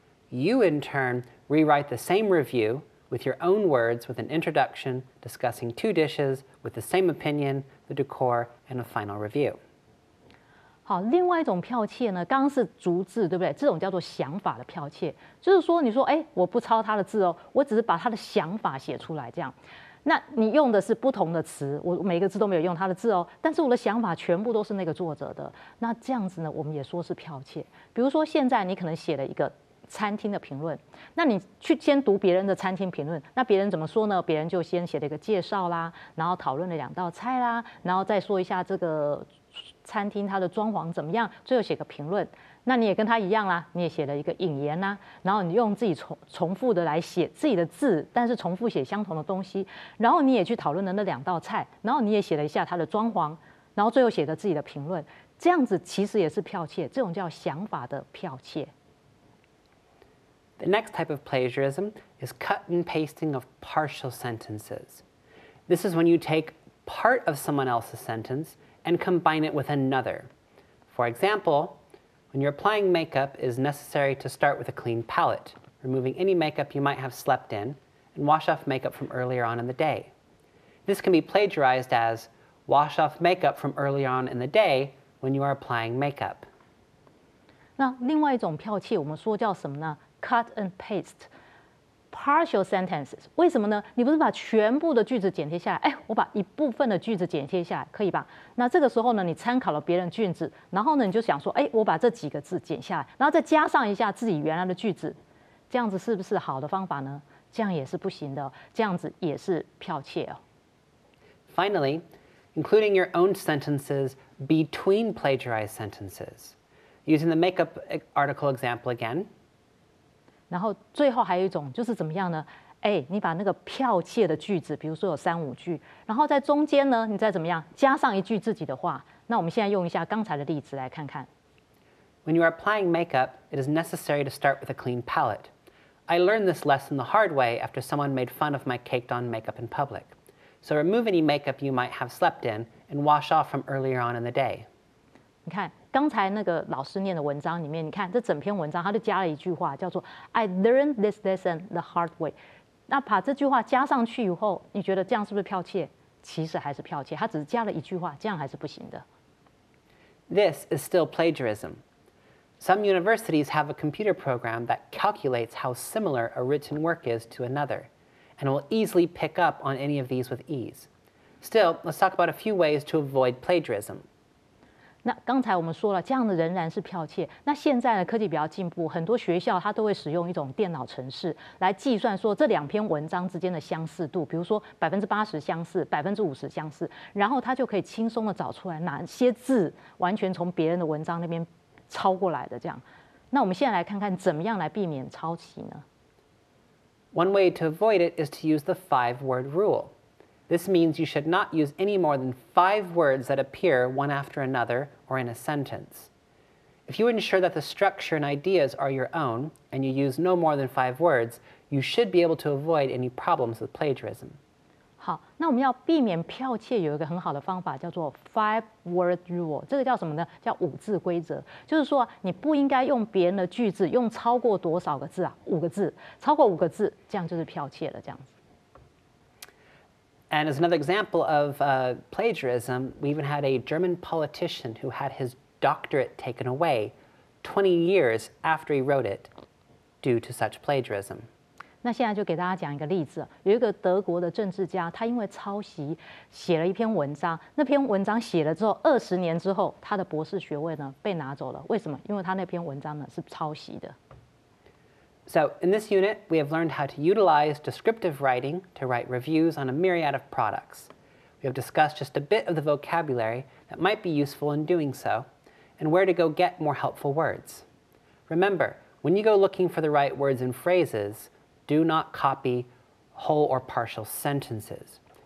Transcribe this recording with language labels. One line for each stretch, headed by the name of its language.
English: You, in turn, rewrite the same review with your own words with an introduction, discussing two dishes with the same opinion, the decor, and a final review.
Chinese: 好，另外一种剽窃呢，刚刚是逐字，对不对？这种叫做想法的剽窃，就是说，你说，哎，我不抄他的字哦，我只是把他的想法写出来，这样。那你用的是不同的词，我每个字都没有用他的字哦，但是我的想法全部都是那个作者的。那这样子呢，我们也说是剽窃。比如说现在你可能写了一个餐厅的评论，那你去先读别人的餐厅评论，那别人怎么说呢？别人就先写了一个介绍啦，然后讨论了两道菜啦，然后再说一下这个餐厅它的装潢怎么样，最后写个评论。那你也跟他一样啦，你也写了一个引言啦，然后你用自己重复的来写自己的字，但是重复写相同的东西，然后你也去讨论了那两道菜，然后你也写了一下他的装潢，然后最后写了自己的评论，这样子其实也是剽窃，这种叫想法的剽窃。
English: The next type of plagiarism is cut and pasting of partial sentences. This is when you take part of someone else's sentence and combine it with another. For example,When you're applying makeup, it is necessary to start with a clean palette, removing any makeup you might have slept in, and wash off makeup from earlier on in the day. This can be plagiarized as wash off makeup from earlier on in the day when you are applying makeup.
Chinese: 那另外一种剽窃，我们说叫什么呢？
English: Cut and paste. partial sentences.
Chinese: 为什么呢？你不是把全部的句子剪贴下来？哎，我把一部分的句子剪贴下来，可以吧？那这个时候呢，你参考了别人句子，然后呢，你就想说，哎，我把这几个字剪下来，然后再加上一下自己原来的句子，这样子是不是好的方法呢？这样也是不行的，这样子也是剽窃哦。
English: Finally, including your own sentences between plagiarized sentences, using the makeup article example again.
Chinese: 然后最后还有一种就是怎么样呢？哎，你把那个剽窃的句子，比如说有三五句，然后在中间呢，你再怎么样加上一句自己的话。那我们现在用一下刚才的例子来看看。
English: When you are applying makeup, it is necessary to start with a clean palette. I learned this lesson the hard way after someone made fun of my caked-on makeup in public. So remove any makeup you might have slept in and wash off from earlier on in the day.
Chinese: 你看刚才那个老师念的文章里面，你看这整篇文章，他就加了一句话，叫做
English: "I learned this lesson the hard way."
Chinese: 那把这句话加上去以后，你觉得这样是不是剽窃？其实还是剽窃，他只是加了一句话，这样还是不行的。
English: This is still plagiarism. Some universities have a computer program that calculates how similar a written work is to another. And will easily pick up on any of these with ease. Still, let's talk about a few ways to avoid plagiarism.
Chinese: 那刚才我们说了，这样的仍然是剽窃。那现在呢，科技比较进步，很多学校它都会使用一种电脑程式来计算说这两篇文章之间的相似度，比如说80%相似，50%相似，然后它就可以轻松的找出来哪些字完全从别人的文章那边抄过来的这样。那我们现在来看看怎么样来避免抄袭呢？
English: One way to avoid it is to use the five-word rule. This means you should not use any more than five words that appear one after another or in a sentence. If you ensure that the structure and ideas are your own and you use no more than five words, you should be able to avoid any problems with plagiarism.
Chinese: 好，那我们要避免剽窃有一个很好的方法叫做 five-word rule. 这个叫什么呢？叫五字规则。就是说你不应该用别人的句子用超过多少个字啊？五个字，超过五个字，这样就是剽窃了，这样子。
English: And as another example of plagiarism, we even had a German politician who had his doctorate taken away 20 years after he wrote it due to such plagiarism.
Chinese: 那现在就给大家讲一个例子，有一个德国的政治家，他因为抄袭写了一篇文章，那篇文章写了之后，20年之后，他的博士学位呢被拿走了。为什么？因为他那篇文章呢是抄袭的。
English: So in this unit, we have learned how to utilize descriptive writing to write reviews on a myriad of products. We have discussed just a bit of the vocabulary that might be useful in doing so, and where to go get more helpful words. Remember, when you go looking for the right words and phrases,Do not copy whole or partial sentences.